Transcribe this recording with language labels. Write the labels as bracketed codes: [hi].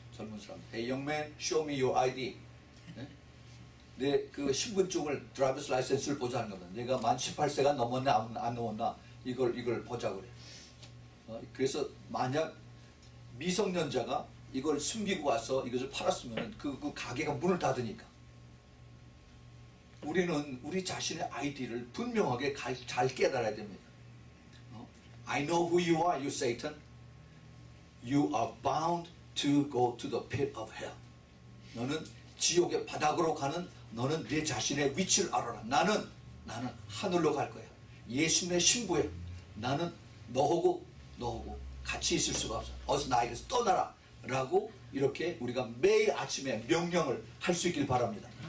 [ko] 젊은 사람, [en] Hey young man, show me your ID. [ko] 내 그 신분증을, 드라이버스 라이센스를 보자는 겁니다. 내가 만 18세가 넘었나 안 넘었나 이걸 보자고 그래. 그래서 만약 미성년자가 이걸 숨기고 와서 이것을 팔았으면 그 가게가 문을 닫으니까. 우리는 우리 자신의 아이디를 분명하게 잘 깨달아야 됩니다. [en] I know who you are, you Satan. You are bound to go to the pit of hell. [ko] 너는 지옥의 바닥으로 가는, 너는 내 자신의 위치를 알아라. 나는 하늘로 갈 거야. 예수님의 신부야. 나는 너하고 같이 있을 수가 없어. 어서 나에게서 떠나라 라고 이렇게 우리가 매일 아침에 명령을 할 수 있길 바랍니다.